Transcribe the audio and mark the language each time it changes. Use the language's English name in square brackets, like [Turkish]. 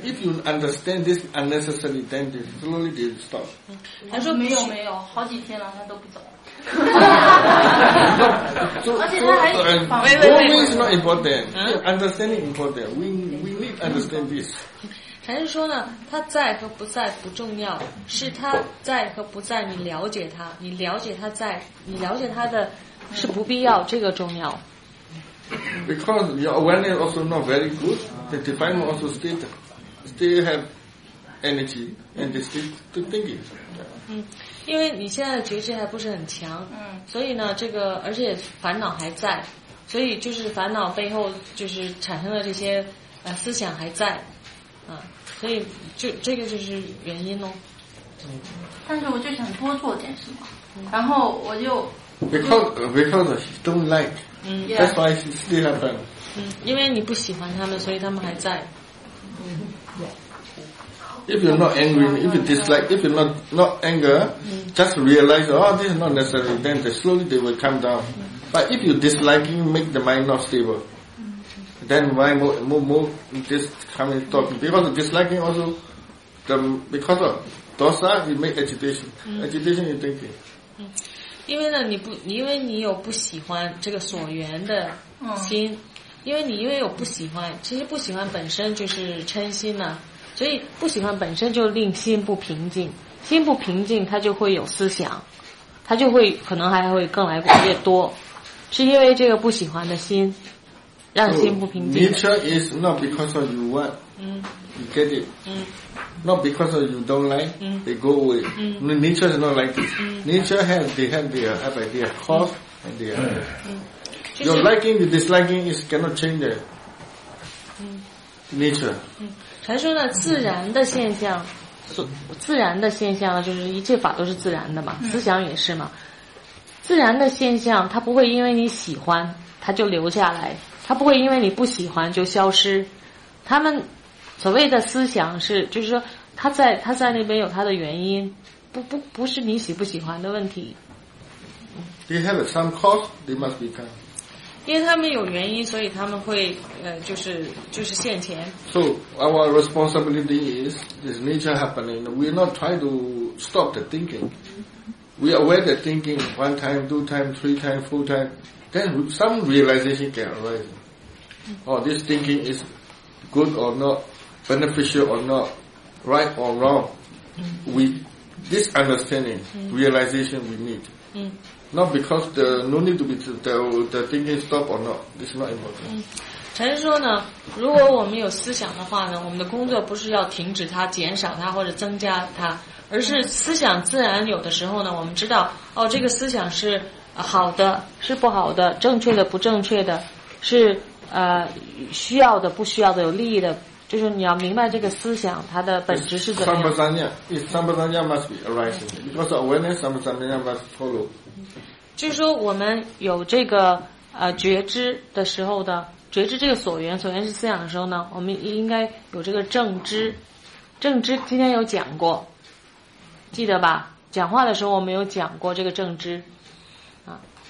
[English] If you understand this unnecessary, then this slowly stop. [Chinese] 他说没有没有，好几天了，他都不走。而且他还 [English] Always is not important. Understanding important. We need understand this. [Chinese] 禅师说呢，他在和不在不重要，是他在和不在，你了解他，你了解他在，你了解他的是不必要，这个重要。 [English] Because your awareness also not very good, the defilement also still have energy and they still thinking. [Chinese] 嗯，因为你现在觉知还不是很强，嗯，所以呢，这个而且烦恼还在，所以就是烦恼背后就是产生的这些思想还在，啊，所以这个就是原因喽。嗯，但是我就想多做点什么，然后我就。 [English] Because she don't like. That's why she still have them. [Chinese] 因为你不喜欢他们，所以他们还在。 [English] If you're not angry, if you dislike, if you're not anger, just realize, oh, this is not necessary. Then slowly they will calm down. But if you disliking, make the mind not stable. Then why more this coming talking? Because disliking also, because of dosa, you make agitation. Agitation, you thinking. [Chinese] 因为呢，因为你有不喜欢这个所缘的心，因为有不喜欢，其实不喜欢本身就是嗔心呢，所以不喜欢本身就令心不平静，心不平静，它就会有思想，它就会可能还会更来越多，是因为这个不喜欢的心，让心不平静。 [English] So, nature is not because of you want. You get it. Not because of you don't like, they go away. Nature is not like this. Nature has, they have their cause and their. Your liking, your disliking is cannot change the nature. [Chinese] 禅说呢，自然的现象，自然的现象就是一切法都是自然的嘛，思想也是嘛。自然的现象，它不会因为你喜欢，它就留下来；它不会因为你不喜欢就消失。他们。所谓的思想是，就是说他在那边有他的原因，不是你喜不喜欢的问题。 [English] They have some cause, they must be kind. [Chinese] 因为他们有原因，所以他们会就是现前。 [English] So our responsibility is this nature happening. We not try to stop the thinking. We aware the thinking one time, two time, three time, four time. Then some realization can arise. Oh, this thinking is good or not. Beneficial or not, right or wrong, we this understanding, realization we need. Not because the no need to be the thinking stop or not. This is not important. [Chinese] 陈师说呢，如果我们有思想的话呢，我们的工作不是要停止它、减少它或者增加它，而是思想自然有的时候呢，我们知道哦，这个思想是好的，是不好的，正确的、不正确的，是需要的、不需要的，有利益的，就是你要明白这个思想它的本质是怎么样。 [English] Sampradaya, it's Sampradaya must be arising because awareness Sampradaya must follow. [Chinese] 就是说我们有这个觉知的时候的。觉知这个所缘，所缘是思想的时候呢，我们应该有这个正知。正知今天有讲过，记得吧？讲话的时候我们有讲过这个正知啊。